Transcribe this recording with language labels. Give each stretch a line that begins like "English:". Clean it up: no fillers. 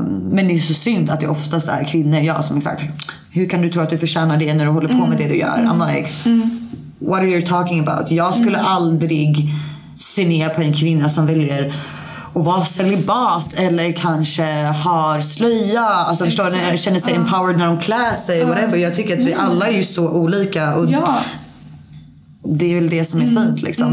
Swedish: Men det är så synd att det oftast är kvinnor, jag som exakt, hur kan du tro att du förtjänar det när du håller på med det du gör?
English: I'm like, what are you talking about?
Swedish: Jag skulle aldrig se ner på en kvinna som väljer att vara celibat eller kanske har slöja, alltså förstår du, känner sig empowered när de klär sig, whatever. Jag tycker att vi alla är ju så olika och det är väl det som är fint liksom.